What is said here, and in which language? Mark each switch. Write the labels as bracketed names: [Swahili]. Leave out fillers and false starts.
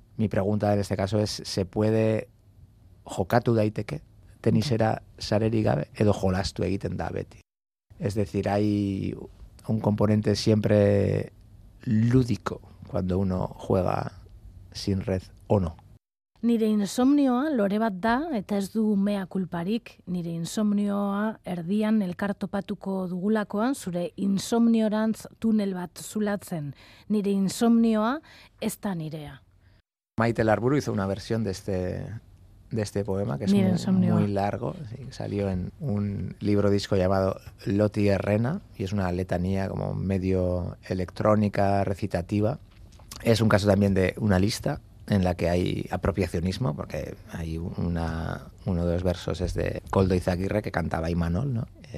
[Spanish] Mi pregunta en este caso es, ¿se puede [Basque] jokatu daiteke, tenisera sarerik gabe, edo jolastu egiten da beti? [Spanish] Es decir, hay un componente siempre lúdico cuando uno juega sin red o no. [Basque] Nire insomnioa lore bat da, eta ez du mea kulparik, nire insomnioa erdian elkartopatuko dugulakoan, zure insomniorantz tunel bat zulatzen, nire insomnioa ez da nirea. [Spanish] Maite Larburu hizo una versión de este poema, que es muy, muy largo, sí, salió en un libro disco llamado Loti Herrena, y es una letanía como medio electrónica, recitativa. Es un caso también de una lista, en la que hay apropiacionismo, porque hay uno de los versos es de Koldo Izagirre, que cantaba Imanol, ¿no?